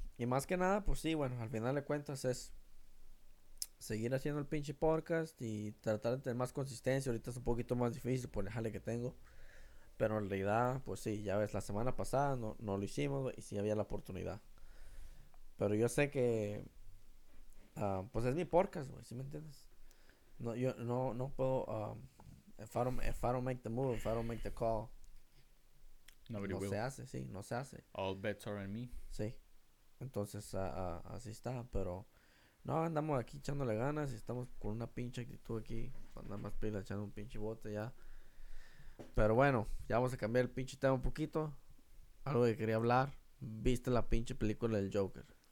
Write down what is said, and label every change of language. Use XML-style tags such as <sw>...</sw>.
<es>Y más que nada, pues sí, bueno, al final de cuentas es seguir haciendo el pinche podcast y tratar de tener más consistencia. Ahorita es un poquito más difícil por el jale que tengo. Pero en realidad, pues sí, ya ves, la semana pasada no lo hicimos, wey, y sí había la oportunidad. Pero yo sé que, pues es mi podcast, güey, ¿sí me entiendes? No, yo no puedo.</es> <en>If I don't make the move, if I don't make the call, Nobody</en> <es>no se</es> <en>will.</en> <es>hace, sí, no se hace.</es> <en>All bets are on me.</en> <es>Sí. Entonces, así está, pero no, andamos aquí echándole ganas y estamos con una pinche actitud aquí, andando más pila, echando un pinche bote ya. Pero bueno, ya vamos a cambiar el pinche tema un poquito. Algo que quería hablar. ¿Viste la pinche película del Joker?</es>